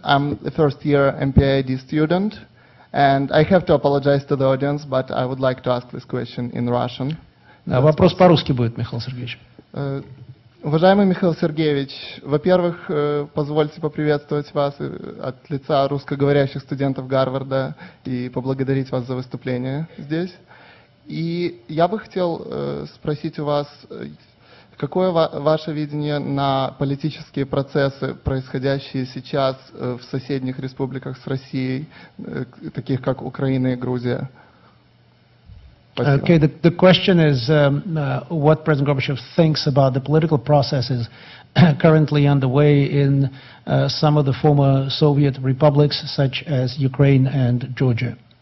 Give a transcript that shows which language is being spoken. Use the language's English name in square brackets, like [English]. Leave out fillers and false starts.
[English] I'm a first-year MPAID student, and I have to apologize to the audience, but I would like to ask this question in Russian. [Russian] Да, вопрос по-русски будет, Михаил Сергеевич. Уважаемый Михаил Сергеевич, во-первых, позвольте поприветствовать вас от лица русскоговорящих студентов Гарварда и поблагодарить вас за выступление здесь. И я бы хотел спросить у вас, какое ваше видение на политические процессы, происходящие сейчас в соседних республиках с Россией, таких как Украина и Грузия? [English] Okay, the question is what President Gorbachev thinks about the political processes currently underway in some of the former Soviet republics, such as Ukraine and Georgia.